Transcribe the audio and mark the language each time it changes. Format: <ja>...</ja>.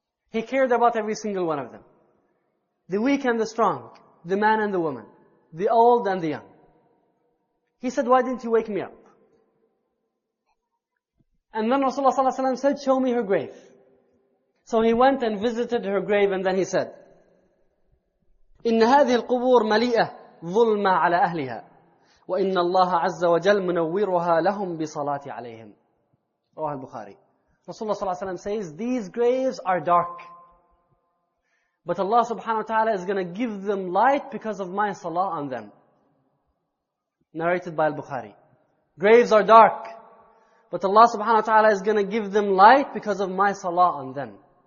<en>He cared about every single one of them. The weak and the strong, the man and the woman, the old and the young. He said, why didn't you wake me up? And then Rasulullah ﷺ said, show me her grave. So he went and visited her grave and then he said,</en> <ar>إِنَّ هَذِهِ الْقُبُورِ مَلِيئَةٌ ظُلْمًا عَلَىٰ أَهْلِهَا وَإِنَّ اللَّهَ عَزَّ وَجَلْ مُنَوِّرُهَا لَهُمْ بِصَلَاتِ عَلَيْهِمْ. رواه البخاري.</ar> <en>Rasulullah ﷺ says, these graves are dark. But Allah subhanahu wa ta'ala is going to give them light because of my salah on them. Narrated by al-Bukhari. Graves are dark. But Allah subhanahu wa ta'ala is going to give them light because of my salah on them.</en>